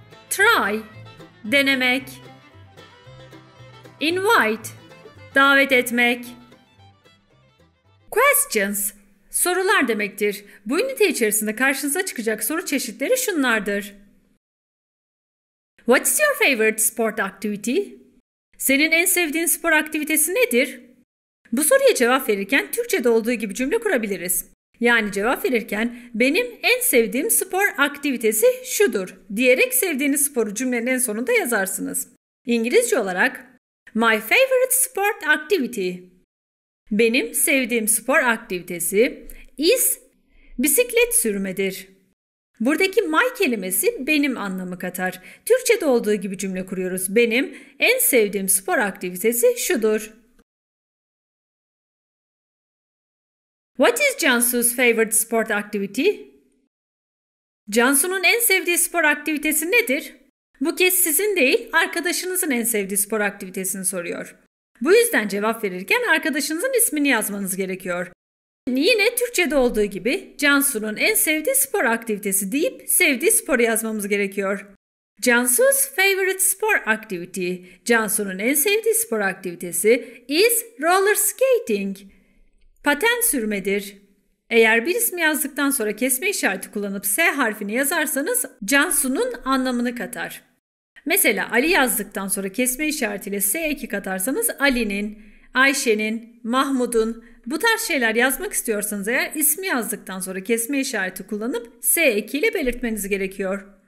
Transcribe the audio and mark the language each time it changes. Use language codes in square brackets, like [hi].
[tr] Try, denemek. Invite, davet etmek. Questions, sorular demektir. Bu ünite içerisinde karşınıza çıkacak soru çeşitleri şunlardır. [en] What is your favorite sport activity? [tr] Senin en sevdiğin spor aktivitesi nedir? Bu soruya cevap verirken Türkçe'de olduğu gibi cümle kurabiliriz. Yani cevap verirken benim en sevdiğim spor aktivitesi şudur diyerek sevdiğiniz sporu cümlenin en sonunda yazarsınız. [en] İngilizce olarak My favorite sport activity. [tr] Benim sevdiğim spor aktivitesi is bisiklet sürmedir. Buradaki my kelimesi benim anlamı katar. Türkçe'de olduğu gibi cümle kuruyoruz. Benim en sevdiğim spor aktivitesi şudur. [en] What is Cansu's favorite sport activity? [tr] Cansu'nun en sevdiği spor aktivitesi nedir? Bu kez sizin değil, arkadaşınızın en sevdiği spor aktivitesini soruyor. Bu yüzden cevap verirken arkadaşınızın ismini yazmanız gerekiyor. Yine Türkçe'de olduğu gibi Cansu'nun en sevdiği spor aktivitesi deyip sevdiği sporu yazmamız gerekiyor. [en] Cansu's favorite sport activity. [tr] Cansu'nun en sevdiği spor aktivitesi [en] is roller skating. [tr] Paten sürmedir. Eğer bir ismi yazdıktan sonra kesme işareti kullanıp S harfini yazarsanız Cansu'nun anlamını katar. Mesela Ali yazdıktan sonra kesme işaretiyle S2 katarsanız Ali'nin, Ayşe'nin, Mahmud'un, bu tarz şeyler yazmak istiyorsanız eğer ismi yazdıktan sonra kesme işareti kullanıp S2 ile belirtmeniz gerekiyor.